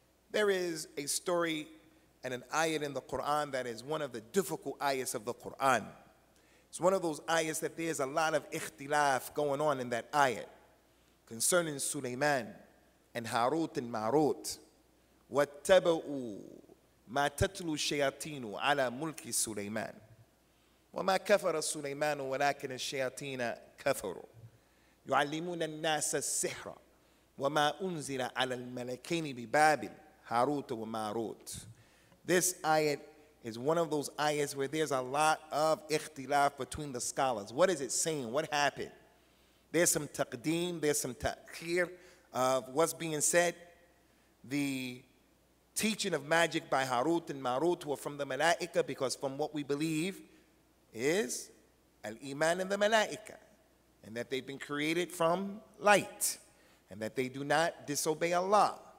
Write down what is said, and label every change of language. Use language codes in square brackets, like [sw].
[en] There is a story and an ayat in the Quran that is one of the difficult ayats of the Quran. It's one of those ayats that there's a lot of ikhtilaf going on in that ayat concerning Sulaiman and Harut and Marut. [ar] وَاتَّبَعُوا مَا تَتْلُوا الشَّيَاطِينُ عَلَى مُلْكِ سُلَيْمَانُ وَمَا كَفَرَ سُلَيْمَانُ وَلَكِنَ الشَّيَاطِينَ كَفَرُوا يُعَلِّمُونَ النَّاسَ السِّحْرَ وَمَا أُنزِلَ عَلَى الْمَلَكَيْنِ بِبَابِلَ Harut wa Marut. [en] This ayat is one of those ayats where there's a lot of ikhtilaf between the scholars. What is it saying? What happened? There's some taqdeem, there's some ta'khir of what's being said. The teaching of magic by Harut and Marut were from the Malaika, because from what we believe is al-Iman and the Malaika, and that they've been created from light, and that they do not disobey Allah.